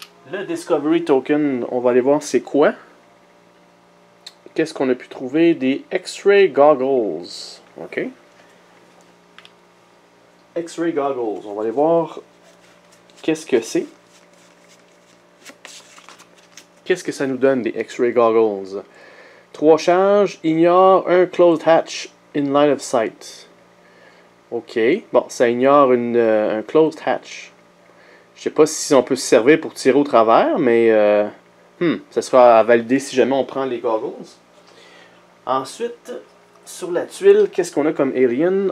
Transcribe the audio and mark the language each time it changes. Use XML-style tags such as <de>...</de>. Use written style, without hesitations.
<fr>Le Discovery Token, on va aller voir c'est quoi. Qu'est-ce qu'on a pu trouver? Des X-ray goggles. OK. X-ray goggles, on va aller voir. Qu'est-ce que c'est? Qu'est-ce que ça nous donne, des X-ray goggles?</fr> <en>3 charges, ignore un closed hatch in line of sight.</en> <fr>OK. Bon, ça ignore un closed hatch. Je sais pas si on peut se servir pour tirer au travers, mais ça sera à valider si jamais on prend les goggles. Ensuite, sur la tuile, qu'est-ce qu'on a comme alien?</fr>